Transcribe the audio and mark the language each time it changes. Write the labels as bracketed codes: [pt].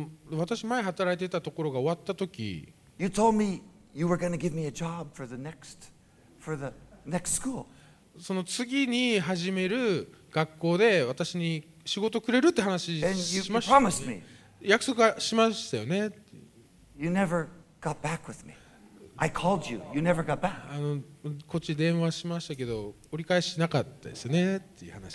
[ja] 私前働いてたところが終わった時。 [en] You told me you were going to give me a job for the next school. [ja] その次に始める学校で私に仕事くれるって話しました、ね、 [en] me, [ja] 約束はしましたよね。 [en] You never got back with me. I called you. You never got back. [ja] こっち電話しましたけど折り返しなかったですねっていう話。